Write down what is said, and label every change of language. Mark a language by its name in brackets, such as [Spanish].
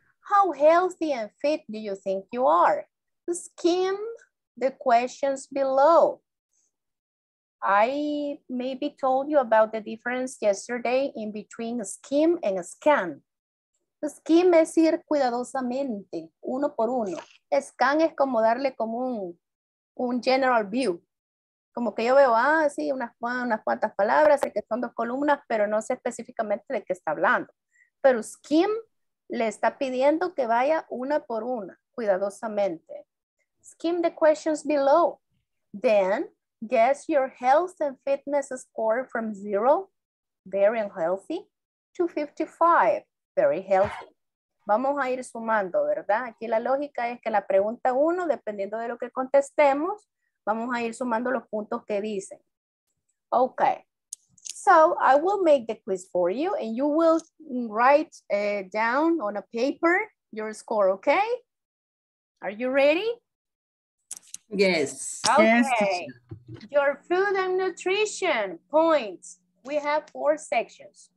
[English] How healthy and fit do you think you are? Skim the questions below. I maybe told you about the difference yesterday in between skim and scan. [Spanish] Skim es ir cuidadosamente, uno por uno. Scan es como darle como un [English] general view. [Spanish] Como que yo veo, ah, sí, unas cuantas palabras, sé que son dos columnas, pero no sé específicamente de qué está hablando. Pero skim le está pidiendo que vaya una por una, cuidadosamente. [English] Skim the questions below. Then, guess your health and fitness score from 0, very unhealthy, to 55, very healthy. [Spanish] Vamos a ir sumando, ¿verdad? Aquí la lógica es que la pregunta 1, dependiendo de lo que contestemos, vamos a ir sumando los puntos que dicen. [English] Okay. So I will make the quiz for you and you will write down on a paper your score, okay? Are you ready? Yes. Okay. Yes. Your food and nutrition points. We have 4 sections.